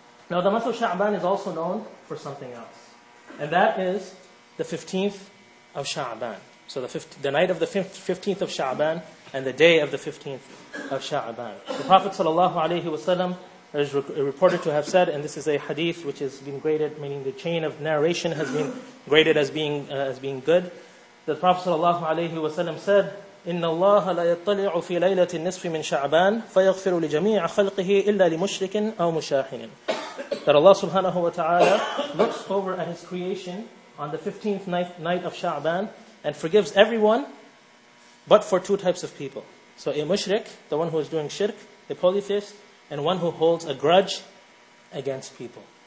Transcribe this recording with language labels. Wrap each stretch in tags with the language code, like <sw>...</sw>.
<en>Now the month of Sha'ban is also known for something else. And that is the 15th of Sha'ban. So the night of the 15th of Sha'ban and the day of the 15th of Sha'ban. The Prophet ﷺ is reported to have said, and this is a hadith which has been graded, meaning the chain of narration has been graded as being good.</en> <ar>The Prophet ﷺ said, إِنَّ اللَّهَ لَيَطَّلِعُ فِي لَيْلَةِ النِّصْفِ مِنْ شَعْبَانِ فَيَغْفِرُ لِجَمِيعَ خَلْقِهِ إِلَّا لِمُشْرِكٍ أَوْ مُشَاحِنٍ.</ar> <en>That Allah subhanahu wa ta'ala looks over at His creation on the 15th night of Sha'ban and forgives everyone but for two types of people. So a mushrik, the one who is doing shirk, a polytheist, and one who holds a grudge against people.</en>